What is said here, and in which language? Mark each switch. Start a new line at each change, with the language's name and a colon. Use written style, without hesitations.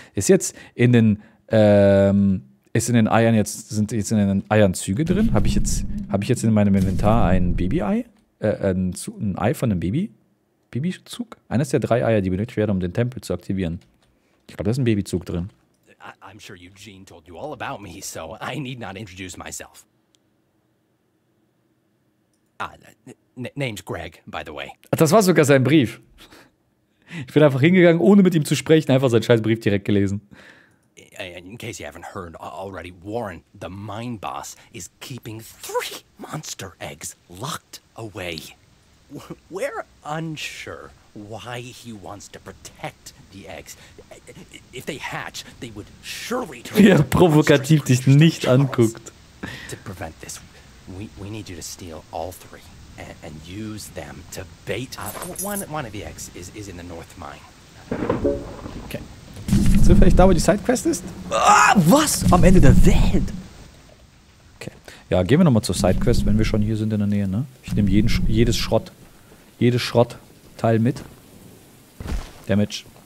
German: Ist jetzt in den sind jetzt in den Eiern Züge drin? Habe ich jetzt in meinem Inventar ein Baby-Ei? Ein Ei von einem Baby? Babyzug? Eines der drei Eier, die benötigt werden, um den Tempel zu aktivieren. Ich glaube, da ist ein Babyzug drin.
English: I'm sure Eugene told you all about me, so I need not introduce myself. Name's Greg, by the way.
German: Das war sogar sein Brief. Ich bin einfach hingegangen, ohne mit ihm zu sprechen, einfach seinen scheiß Brief direkt gelesen.
English: In case you haven't heard already, Warren, the mine boss, is keeping 3 monster eggs locked away. We're unsure why he wants to protect the eggs. If they hatch, they would surely turn into monsters.
German: Ja, provokativ dich nicht anguckt.
English: To prevent this, we need you to steal all 3 and use them to bait. One of the eggs is in the north mine.
German: Okay. Sind wir vielleicht da, wo die Sidequest ist? Ah, was? Am Ende der Welt? Okay. Ja, gehen wir nochmal zur Sidequest, wenn wir schon hier sind in der Nähe, ne? Ich nehme jedes Schrottteil mit. Damage.